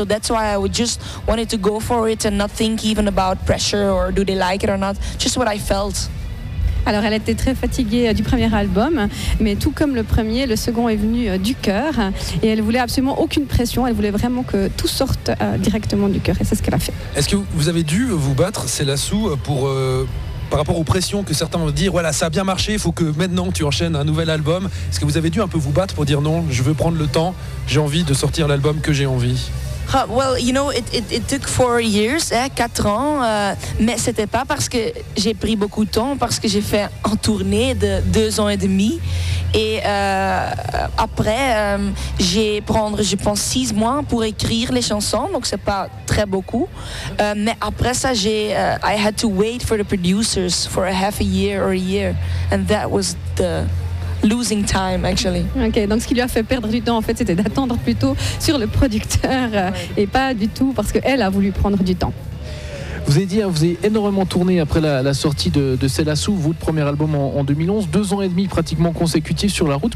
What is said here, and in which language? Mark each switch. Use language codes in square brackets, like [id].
[en] So that's why I would just wanted to go for it and not think even about pressure or do they like it or not. Just what I felt. [fr] Alors, elle était très fatiguée du premier album, mais tout comme le premier, le second est venu du cœur. Et elle voulait absolument aucune pression, elle voulait vraiment que tout sorte directement du cœur. Et c'est ce qu'elle a fait. Est-ce que vous avez dû vous battre, c'est la Sou, pour, par rapport aux pressions que certains vont dire, voilà, ça a bien marché, il faut que maintenant tu enchaînes un nouvel album. Est-ce que vous avez dû un peu vous battre pour dire non, je veux prendre le temps, j'ai envie de sortir l'album que j'ai envie? [en] Well, you know, it took 4 years, [fr] 4 ans, mais c'était pas parce que j'ai pris beaucoup de temps, parce que j'ai fait en tournée de 2 ans et demi. Et après, j'ai pris, je pense, 6 mois pour écrire les chansons, donc c'est pas très beaucoup. Mais après ça, [en] I had to wait for the producers for a half a year or a year, and that was the... Losing time, actually. [fr] Ok, donc ce qui lui a fait perdre du temps, en fait, c'était d'attendre plutôt sur le producteur et pas du tout parce qu'elle a voulu prendre du temps. Vous avez dit, vous avez énormément tourné après la sortie de C'est la Sou, votre premier album en 2011, 2 ans et demi pratiquement consécutifs sur la route.